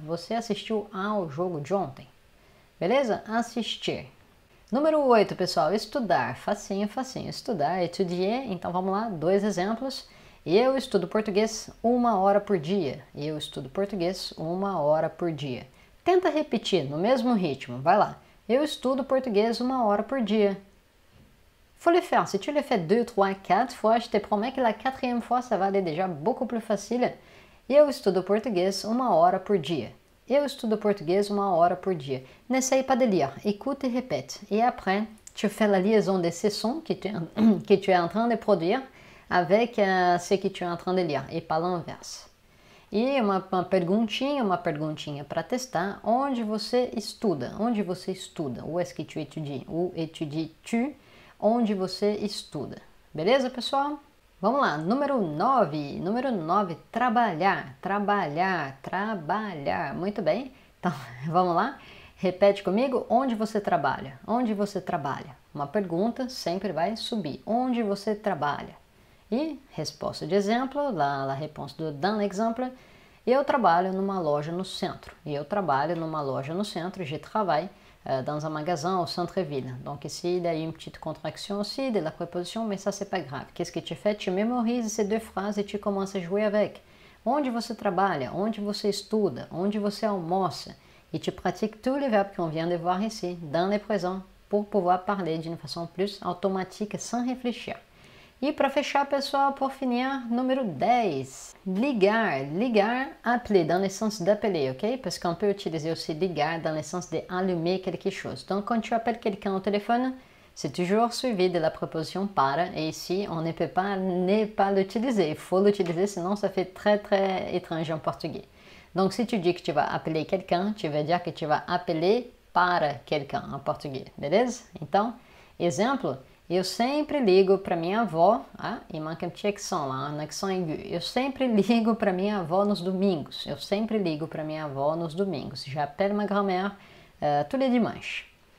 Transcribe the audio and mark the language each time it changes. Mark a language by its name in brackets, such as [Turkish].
[Portuguese] Você assistiu ao jogo de ontem? Beleza? Assistir. Número 8, pessoal. Estudar. Facinho, facinho. Estudar, étudier. Então vamos lá, dois exemplos. Eu estudo português uma hora por dia. Eu estudo português uma hora por dia. Tenta repetir no mesmo ritmo. Vai lá. Eu estudo português uma hora por dia. [French] Faut le faire. Si tu le fais deux, trois, quatre fois, je te promets que la quatrième fois, ça va aller déjà beaucoup plus facile. [Portuguese] Eu estudo português uma hora por dia. Eu estudo português uma hora por dia. [French] N'essaye pas de lire. Écoute et répète. Et après, tu fais la liaison de ces sons que tu es en train de produire avec ce que tu es en train de lire, et pas l'inverse. [Portuguese] Et uma perguntinha para testar. Onde você estuda? Onde você estuda? [French] Où est-ce que tu étudies? Où étudies-tu? [Portuguese] Onde você estuda? Beleza, pessoal? Vamos lá, número 9. Número 9, trabalhar, trabalhar, trabalhar. Muito bem. Então, vamos lá. Repete comigo. Onde você trabalha? Onde você trabalha? Uma pergunta sempre vai subir. Onde você trabalha? E resposta de exemplo, [French] la réponse do dans l'exemple. [Portuguese] Eu trabalho numa loja no centro. Eu trabalho numa loja no centro. [French] Je travaille dans un magasin au centre-ville. Donc ici, il y a une petite contraction aussi de la préposition, mais ça, c'est pas grave. Qu'est-ce que tu fais? Tu mémorises ces deux phrases et tu commences a jouer avec. [Portuguese] Onde você trabalha? Onde você estuda? Onde você almoça? [French] Et tu pratiques tous les verbes qu'on vient de voir ici, dans le présent, pour pouvoir parler d'une façon plus automatique, sans réfléchir. [Portuguese] E para fechar, pessoal, por finir, número 10. [French] Ligar, ligar, appeler, dans le sens d'appeler, ok? Parce qu'on peut utiliser aussi ligar dans le sens de allumer quelque chose. Donc, quand tu appelles quelqu'un au téléphone, c'est toujours suivi de la préposition para. Et ici, on ne peut pas ne pas l'utiliser. Il faut l'utiliser, sinon ça fait très très étrange en portugais. Donc, si tu dis que tu vas appeler quelqu'un, tu veux dire que tu vas appeler para quelqu'un en portugais, beleza? [Portuguese] Então, exemplo. Eu sempre ligo para minha avó, ah, e manca um petit accent lá, um accent aigu. Eu sempre ligo para minha avó nos domingos. Eu sempre ligo para minha avó nos domingos. [French] J'appelle ma grand-mère tous les dimanches.